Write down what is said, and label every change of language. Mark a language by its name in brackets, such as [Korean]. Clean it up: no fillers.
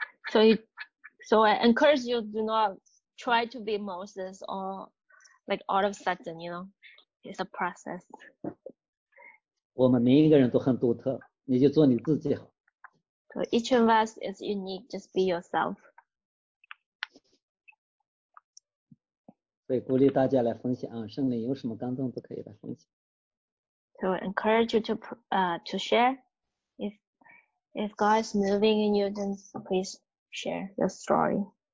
[English] So I encourage you do not try to be Moses or like all of a sudden, you know, it's a process. [Chinese] 我们每一个人都很独特，你就做你自己好。 [English] So each of us is unique, just be yourself. [Chinese] 对，鼓励大家来分享啊，圣灵有什么感动都可以来分享。 [English] So encourage you to share. If God is moving in you, then please share your story.